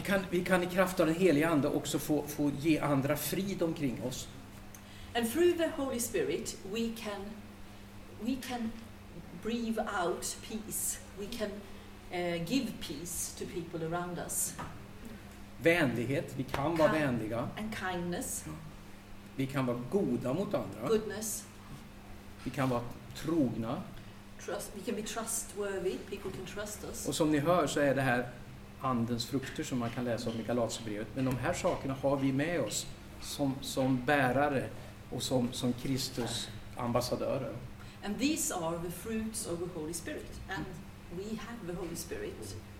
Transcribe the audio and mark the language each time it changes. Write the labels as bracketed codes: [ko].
[sv] Vi kan i kraft av den helige ande också få ge andra frid omkring oss. [en] And through the Holy Spirit we can breathe out peace. We can give peace to people around us. [sv] Vänlighet, vi kan vara vänliga. [en] And kindness. [sv] Vi kan vara goda mot andra. [en] Goodness. [sv] Vi kan vara trogna. [en] We can be trustworthy. People can trust us. [sv] Och som ni hör så är det här andens frukter som man kan läsa om i Galaterbrevet. Men de här sakerna har vi med oss som bärare och som Kristus ambassadörer. [en] And these are the fruits of the Holy Spirit. And we have the Holy Spirit.